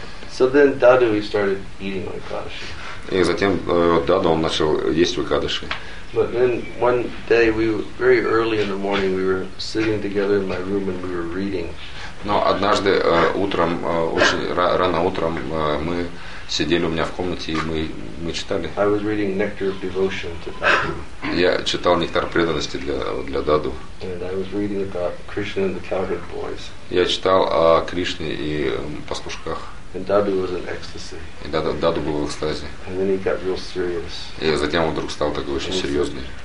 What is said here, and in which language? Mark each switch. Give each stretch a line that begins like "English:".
English: So then Dadu, he started eating on Ekadashi.
Russian: И затем Даду он начал есть в Экадаши.
English: But then one day we very early in the morning we were sitting together in my room and we were reading.
Russian: Но однажды утром, очень рано утром, мы сидели у меня в комнате и мы читали.
English: I was reading Nectar of Devotion to Dadu.
Russian: Я читал Нектар преданности для Даду.
English: And I was reading about Krishna and the Cowherd Boys.
Russian: Я читал о Кришне и пастушках.
English: And Dadu was in ecstasy.
Russian: И Даду был в экстазе.
English: And then he got real serious.
Russian: И затем он вдруг стал такой очень серьезный.